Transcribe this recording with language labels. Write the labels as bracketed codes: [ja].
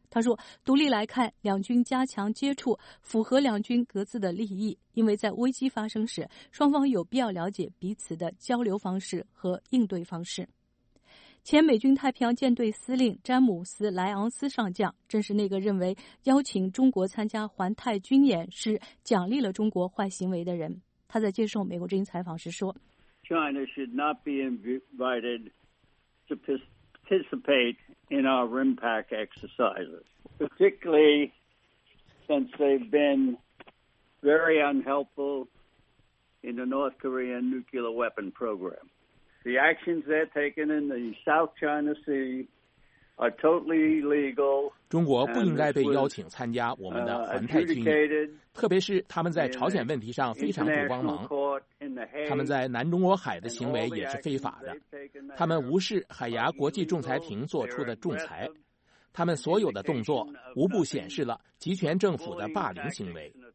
[zh] 他说，独立来看，两军加强接触符合两军各自的利益，因为在危机发生时，双方有必要了解彼此的交流方式和应对方式。前美军太平洋舰队司令詹姆斯·莱昂斯上将正是那个认为邀请中国参加环太军演是奖励了中国坏行为的人。他在接受美国之音采访时说， [en] China should not be invited to participate in our RIMPAC exercises, particularly since they've been very unhelpful in the North Korean nuclear weapon program. The actions they're taken in the South China Sea are totally legal. [zh] 中国不应该被邀请参加我们的环太军演，特别是他们在朝鲜问题上非常不光芒。他们在南中国海的行为也是非法的，他们无视海牙国际仲裁庭做出的仲裁，他们所有的动作无不显示了集权政府的霸凌行为。